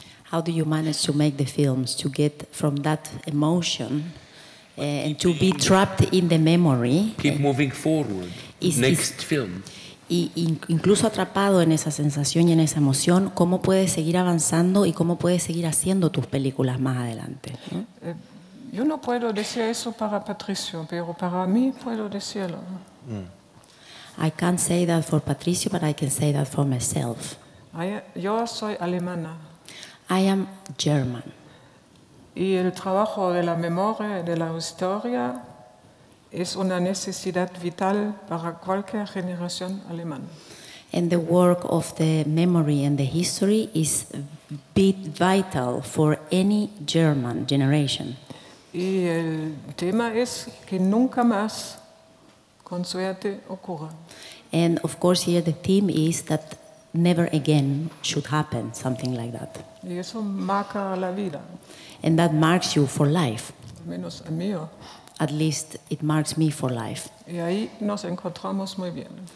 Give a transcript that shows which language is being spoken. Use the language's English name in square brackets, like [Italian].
[English] How do you manage to make the films, to get from that emotion and to be trapped in the memory? Keep moving forward. Next film. [Spanish] Y incluso atrapado en esa sensación y en esa emoción, ¿cómo puedes seguir avanzando y cómo puedes seguir haciendo tus películas más adelante? Yo no puedo decir eso para Patricio, pero para mí puedo decirlo. [English] I can't say that for Patricio, but I can say that for myself. [Spanish] Yo soy alemana. [English] I am German. [Spanish] Y el trabajo de la memoria, de la historia, es una necesidad vital para cualquier generación alemana. [English] And the work of the memory and the history is vital for any German generation. [Spanish] Y el tema es que nunca más con suerte ocurra. [English] And of course here the theme is that never again should happen something like that. [Spanish] Y eso marca la vida. [English] And that marks you for life. [Spanish] Al menos a mí. [English] At least it marks me for life. [Spanish] Y ahí nos encontramos muy bien.